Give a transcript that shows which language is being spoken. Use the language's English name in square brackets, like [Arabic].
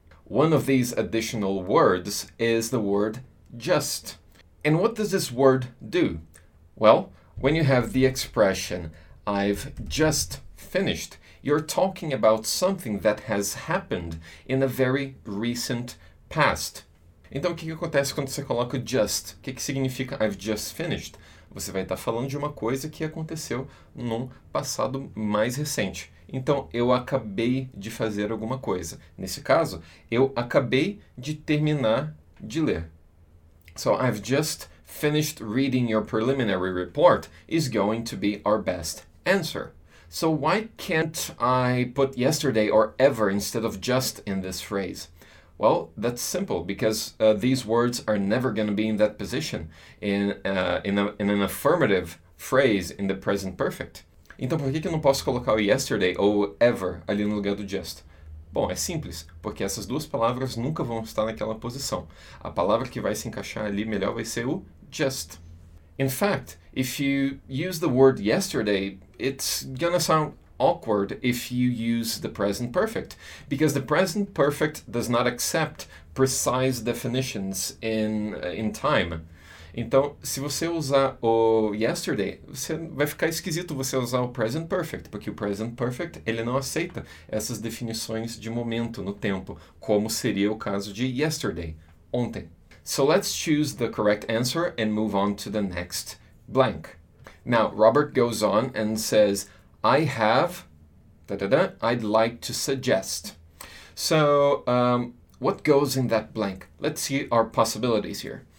[English] One of these additional words is the word just. And what does this word do? Well, when you have the expression, "I've just finished," you're talking about something that has happened in a very recent past. [Portuguese] Então, o que acontece quando você coloca just? O que significa [English] "I've just finished"? [Portuguese] Você vai estar falando de uma coisa que aconteceu num passado mais recente. Então, eu acabei de fazer alguma coisa. Nesse caso, eu acabei de terminar de ler. [English] So, "I've just finished reading your preliminary report" is going to be our best answer. So, why can't I put yesterday or ever instead of just in this phrase? Well, that's simple, because these words are never going to be in that position in an affirmative phrase in the present perfect. [Portuguese] Então, por que eu não posso colocar o yesterday ou ever ali no lugar do just? Bom, é simples, porque essas duas palavras nunca vão estar naquela posição. A palavra que vai se encaixar ali melhor vai ser o just. [English] In fact, if you use the word yesterday, it's gonna sound awkward if you use the present perfect, because the present perfect does not accept precise definitions in time. [Portuguese] Então, se você usar o yesterday, você vai ficar esquisito você usar o present perfect, porque o present perfect ele não aceita essas definições de momento no tempo, como seria o caso de yesterday, ontem. [English] So let's choose the correct answer and move on to the next blank. Now, Robert goes on and says, "I'd like to suggest." So, what goes in that blank? Let's see our possibilities here.